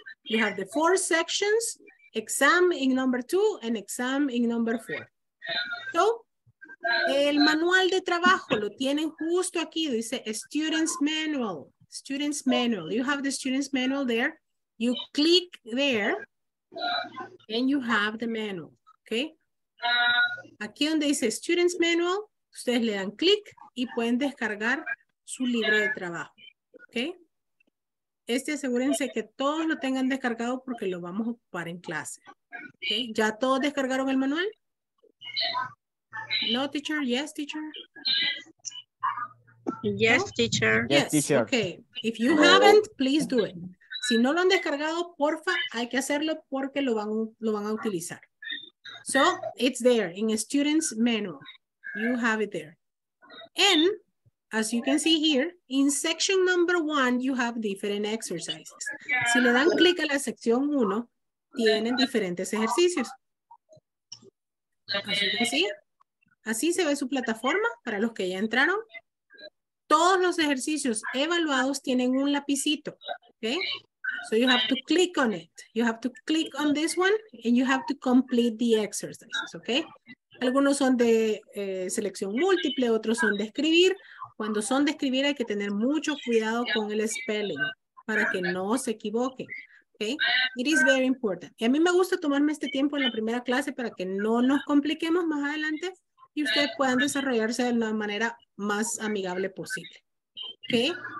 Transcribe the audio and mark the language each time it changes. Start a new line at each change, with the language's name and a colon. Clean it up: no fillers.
English: You have the 4 sections, exam in number 2 and exam in number 4.
Spanish: So, el manual de trabajo lo tienen justo aquí. Dice student's manual. Student's manual.
English: You have the student's manual there. You click there. And you have the manual, okay?
Spanish: Aquí donde dice Students Manual, ustedes le dan clic y pueden descargar su libro de trabajo, okay? Este asegúrense que todos lo tengan descargado porque lo vamos a ocupar en clase, okay? ¿Ya todos descargaron el manual?
English: No, teacher. Yes, teacher. Yes, no? Teacher. Yes, teacher. Okay. If you haven't, please do it.
Spanish: Si no lo han descargado, porfa, hay que hacerlo porque lo van a utilizar.
English: So, it's there in a student's manual. You have it there. And, as you can see here, in section number 1, you have different exercises.
Spanish: Si le dan clic a la sección 1, tienen diferentes ejercicios.
English: As you can see,
Spanish: así se ve su plataforma para los que ya entraron. Todos los ejercicios evaluados tienen un lapicito, ¿okay?
English: So you have to click on it. You have to click on this one and you have to complete the exercises, okay?
Spanish: Algunos son de selección múltiple, otros son de escribir. Cuando son de escribir hay que tener mucho cuidado con el spelling para que no se equivoquen, okay?
English: It is very important.
Spanish: Y a mí me gusta tomarme este tiempo en la primera clase para que no nos compliquemos más adelante y ustedes puedan desarrollarse de la manera más amigable posible, okay?